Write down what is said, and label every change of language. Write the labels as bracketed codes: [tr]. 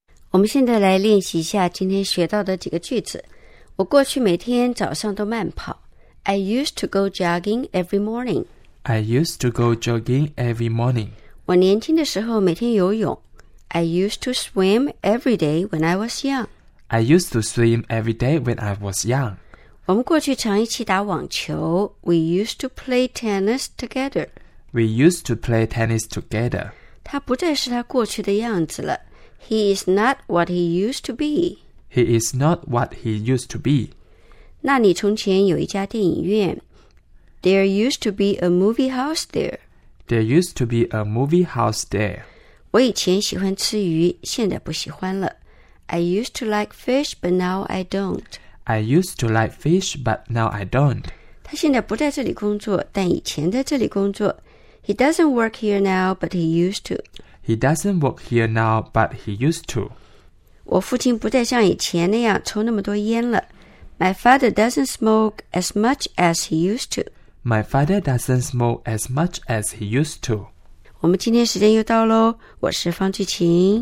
[zh] 我们现在来练习一下今天学到的几个句子。我过去每天早上都慢跑。 [en] I used to go jogging every morning. I used to go jogging every morning. [zh] 我年轻的时候每天游泳。 [en] I used to swim every day when I was young. I used to swim every day when I was young. [zh] 我们过去常一起打网球。 [en] We used to play tennis together. We used to play tennis together. [zh] 他不再是他过去的样子了。 [en] He is not what he used to be. He is not what he used to be. [zh] 那你从前有一家电影院。 [en] There used to be a movie house there. There used to be a movie house there. [zh] 我以前喜欢吃鱼，现在不喜欢了。 [en] I used to like fish, but now I don't. I used to like fish, but now I don't. [zh] 他现在不在这里工作，但以前在这里工作。 [en] He doesn't work here now, but he used to. He doesn't work here now, but he used to. [zh] 我父亲不再像以前那样抽那么多烟了。 [en] My father doesn't smoke as much as he used to. My father doesn't smoke as much as he used to. [zh] 我们今天时间又到咯，我是方巨琴，